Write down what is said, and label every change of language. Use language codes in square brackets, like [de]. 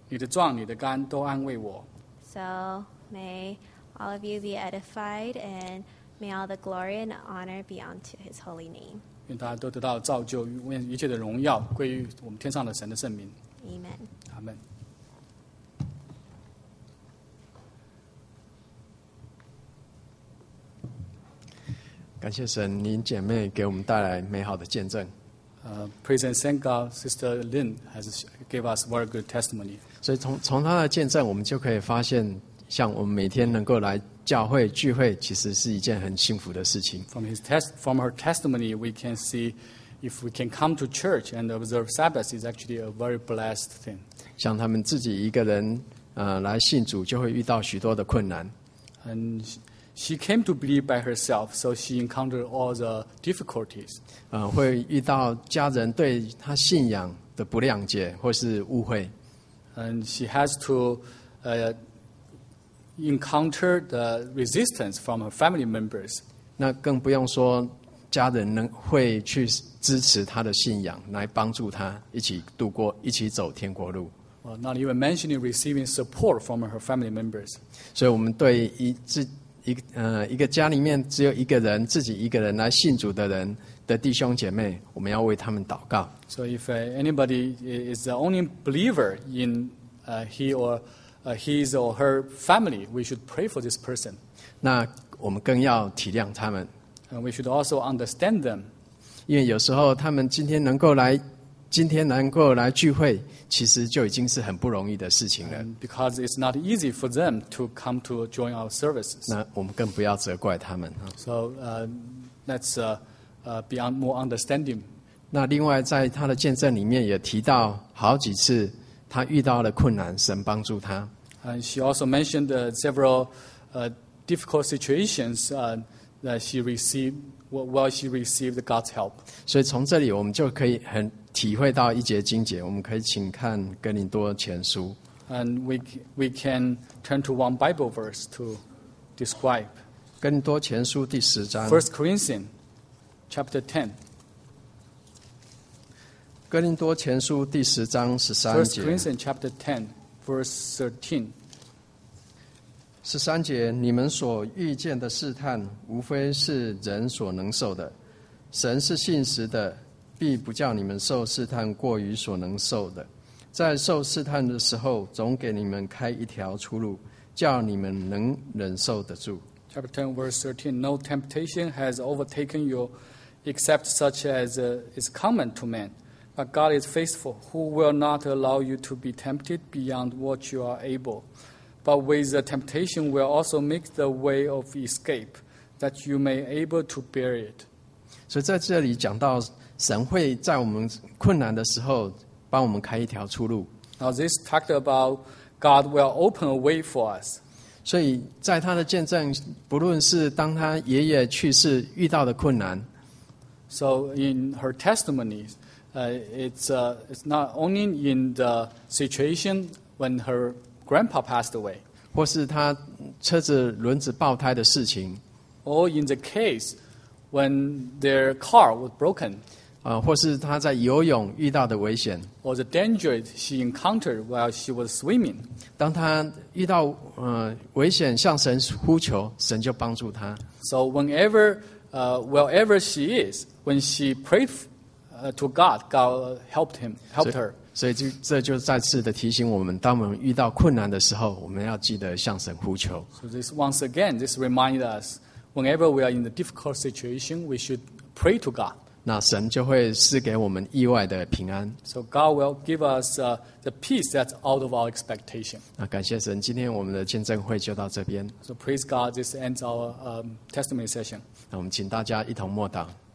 [zh] 你的杖、你的竿都安慰我。 [en] So may all of you be edified and May all the glory and honor be unto His holy name. [zh] 愿大家都得到造就，愿一切的荣耀归于我们天上的神的圣名。 [en] Amen. Amen. [zh] 感谢神，您姐妹给我们带来美好的见证。 [en] Praise and thank God, Sister Lynn has gave us very good testimony. [zh] 所以从她的见证，我们就可以发现，像我们每天能够来。教会聚会其实是一件很幸福的事情。 [en] From her testimony, we can see if we can come to church and observe Sabbath is actually a very blessed thing. [zh] 像他们自己一个人，来信主就会遇到许多的困难。 [en] And she came to believe by herself, so she encountered all the difficulties. [zh] 会遇到家人对她信仰的不谅解或是误会。 [en] And she has to, encounter the resistance from her family members. [zh] 那更不用说家人能会去支持他的信仰，来帮助他一起度过，一起走天国路。 [en] Well, not even mentioning receiving support from her family members. [zh] 所以我们对一个家里面只有一个人，自己一个人来信主的人的弟兄姐妹，我们要为他们祷告。 [en] So if anybody is the only believer in he or his or her family, we should pray for this person. [zh] 那我们更要体谅他们。 [en] And we should also understand them. [zh] 因为有时候他们今天能够来今天能够来聚会，其实就已经是很不容易的事情了。 [en] And、because it's not easy for them to come to join our services. [zh] 那我们更不要责怪他们。 [en] So, let's be more understanding. [zh] 那另外在他的见证里面也提到好几次他遇到了困难，神帮助他。 [en] And she also mentioned several difficult situations that she received, while she received God's help. [zh] 所以从这里我们就可以很体会到一节经节，我们可以请看《哥林多前书》。 [en] And we can turn to one Bible verse to describe. [zh] 哥林多前书第十章。 [en] First Corinthians, chapter 10. [zh] 哥林多前书第十章十三节。 [en] First Corinthians chapter 10, verse 13. [zh] 十三节，你们所遇见的试探，无非是人所能受的，神是信实的。必不叫你们受试探过于所能受的，在受试探的时候，总给你们开一条出路，叫你们能忍受得住。 [en] Chapter 10, verse 13. No temptation has overtaken you, except such as is common to man. But God is faithful, who will not allow you to be tempted beyond what you are able. But with the temptation will also make the way of escape, that you may able to bear it. [zh] 所以在这里讲到神会在我们困难的时候帮我们开一条出路。 [en] Now this talked about God will open a way for us. [zh] 所以在他的见证，不论是当他爷爷去世遇到的困难。 [en] So in her testimony, it's not only in the situation when her grandpa passed away. [zh] 或是他车子轮子爆胎的事情。 [en] Or in the case when their car was broken. [zh] 或是他在游泳遇到的危险 [en] or the danger she encountered while she was swimming. [zh] 当他遇到危险向神呼求，神就帮助他。 [en] So whenever, wherever she is, when she prayed to God, God helped him, helped her. [zh] 所以就这就再次的提醒我们，当我们遇到困难的时候，我们要记得向神呼求。 [en] So this once again, this reminds us, whenever we are in a difficult situation, we should pray to God. [zh] 那神就会赐给我们意外的平安。 [en] So God will give us the peace that's out of our expectation. [zh] 那感谢神，今天我们的见证会就到这边。 [en] So praise God, this ends our testimony session. [zh] 那我们请大家一同默祷。